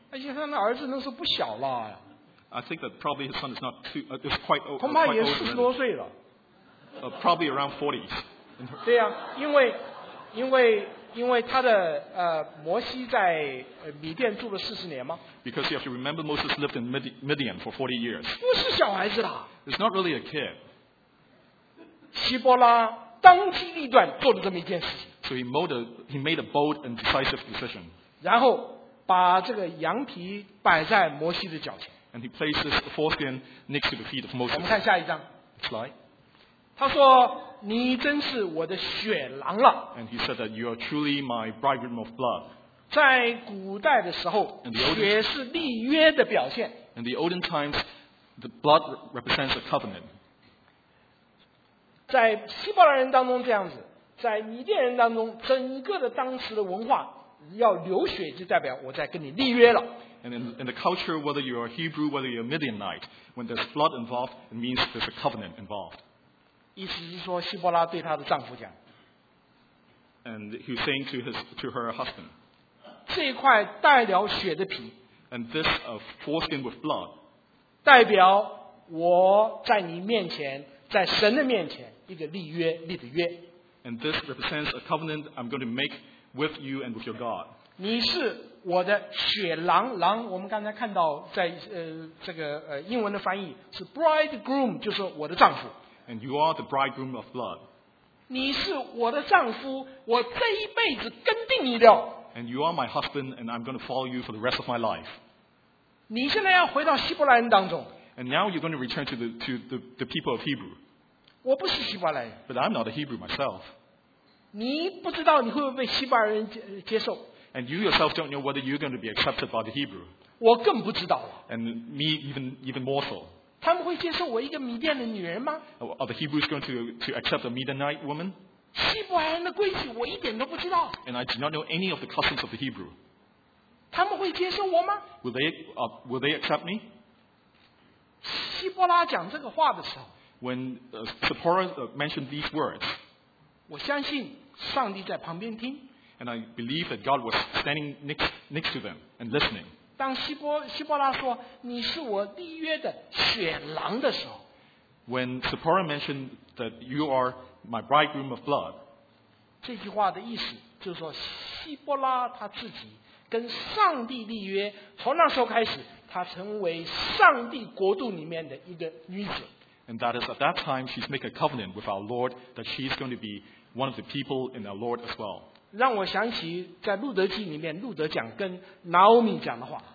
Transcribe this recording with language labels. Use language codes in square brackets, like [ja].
[zh] 而且他的儿子那时候不小了。 [en] I think that probably his son is not too is quite old. [zh] 恐怕也40多岁了。 [en] Probably around 40s. [zh] 对呀、啊，因为他的摩西在米甸住了40年吗 [en] ？Because if you remember, Moses lived in Midian for 40 years. [zh] 不是小孩子啦。 [en] It's not really a kid. [zh] 希伯拉当机立断做了这么一件事情。 [en] So he made a bold and decisive decision. [zh] 然后把这个羊皮摆在摩西的脚前。 [en] And he places the foreskin next to the feet of Moses. [zh] 我们看下一张。 [en] Slide. [zh] 他说。你真是我的血郎了。 [en] And he said that you are truly my bridegroom of blood. [zh] 在古代的时候，血是立约的表现。 [en] In the olden times, the blood represents a covenant. [zh] 在希伯来人当中这样子，在米甸人当中，整个的当时的文化，要流血就代表我在跟你立约了。 [en] And in the culture, whether you are Hebrew, whether you are Midianite, when there's blood involved, it means there's a covenant involved. [zh] 意思是说，希伯拉对她的丈夫讲 [en] ，And he was saying to her husband， [zh] 这块带了血的皮 [en] ，And this foreskin with blood， [zh] 代表我在你面前，在神的面前一个立约立的约 [en] ，And this represents a covenant I'm going to make with you and with your God。 [zh] 你是我的血狼，狼我们刚才看到在这个英文的翻译是 bridegroom， 就是我的丈夫。 [en] And you are the bridegroom of blood. [zh] 你是我的丈夫，我这一辈子跟定你了。 [en] And you are my husband, and I'm going to follow you for the rest of my life. [zh] 你现在要回到希伯来人当中。 [en] And now you're going to return to the people of Hebrew. [zh] 我不是希伯来人。 [en] But I'm not a Hebrew myself. [zh] 你不知道你会不会被希伯来人接受。 [en] And you yourself don't know whether you're going to be accepted by the Hebrew. [zh] 我更不知道了。 [en] And me even more so. [zh] 他们会接受我一个米甸的女人吗 [en] ？Are the Hebrews going to accept a Midianite woman？ [zh] 希伯来人的规矩我一点都不知道。 [en] And I do not know any of the customs of the Hebrew。 [zh] 他们会接受我吗 [en] ？Will they accept me？ [zh] 希伯拉讲这个话的时候 [en] when Sephora mentioned these words, [zh] 我相信上帝在旁边听。 [en] And I believe that God was standing next to them and listening. [zh] 当希伯拉说你是我立约的血狼的时候， [en] When Sephora mentioned that you are my bridegroom of blood, [zh] 这句话的意思就是说希伯拉他自己跟上帝立约，从那时候开始，她成为上帝国度里面的一个女子。 [en] And that is at that time she's make a covenant with our Lord that she's going to be one of the people in our Lord as well. [zh] 让我想起在路德记里面路德讲跟 Naomi 讲的话。